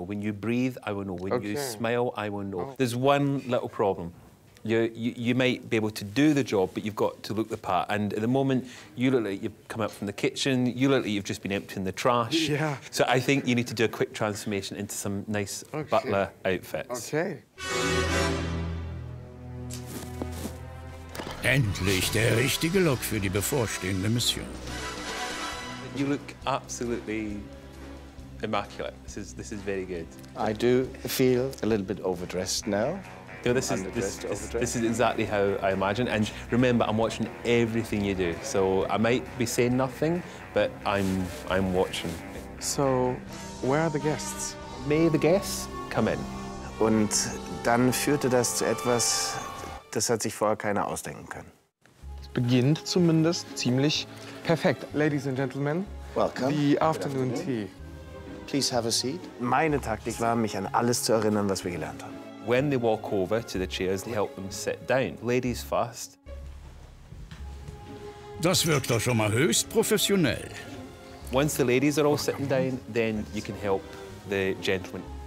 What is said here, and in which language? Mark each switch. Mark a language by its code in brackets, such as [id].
[en] When you breathe, I will know. When you smile, I will know. Oh. There's one little problem. You might be able to do the job, but you've got to look the part. And at the moment, you look like you've come out from the kitchen. You look like you've just been emptying the trash. Yeah. So I think you need to do a quick transformation into some nice butler outfits. Okay. [de] Endlich der richtige Look für die bevorstehende Mission. [en] You look absolutely immaculate. This is very good. I do feel a little bit overdressed now. No, this is exactly how I imagine. And remember, I'm watching everything you do. So I might be saying nothing, but I'm watching. So, where are the guests? May the guests come in. [de] Und dann führte das zu etwas, das hat sich vorher keiner ausdenken können. Es beginnt zumindest ziemlich perfekt. [en] Ladies and gentlemen, welcome. The afternoon tea. Please have a seat. [de] Meine Taktik war, mich an alles zu erinnern, was wir gelernt haben. [en] When they walk over to the chairs, they help them sit down. Ladies first. [de] Das wirkt doch schon mal höchst professionell. [en] Once the ladies are all sitting down, then you can help the gentlemen.